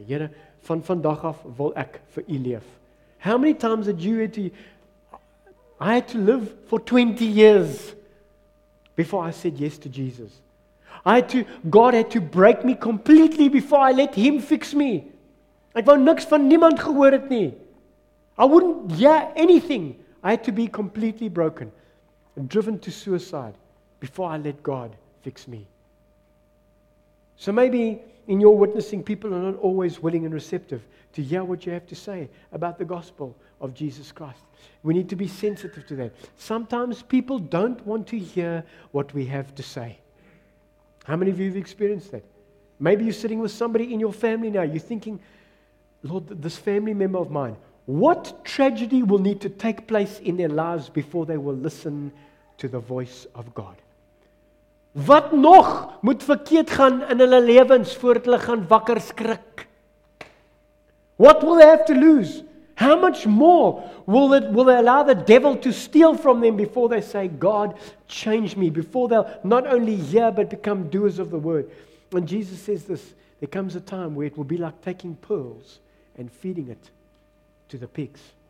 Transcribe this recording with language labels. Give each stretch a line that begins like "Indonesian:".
Afrikaans: Here, van vandag af wil ek vir u leef."
English: How many times did you I had to live for 20 years before I said yes to Jesus. God had to break me completely before I let him fix me.
Afrikaans: Ek wou niks van niemand gehoor het nie.
English: I wouldn't hear anything. I had to be completely broken and driven to suicide before I let God fix me. So maybe in your witnessing, people are not always willing and receptive to hear what you have to say about the gospel of Jesus Christ. We need to be sensitive to that. Sometimes people don't want to hear what we have to say. How many of you have experienced that? Maybe you're sitting with somebody in your family now. You're thinking, Lord, this family member of mine, what tragedy will need to take place in their lives before they will listen to the voice of God?
Afrikaans: Wat nog moet verkeerd gaan in hulle lewens voordat hulle gaan wakker skrik?
English: What will they have to lose? How much more will they allow the devil to steal from them before they say, God, change me, before they'll not only hear but become doers of the word? And Jesus says this, there comes a time where it will be like taking pearls and feeding it to the pigs.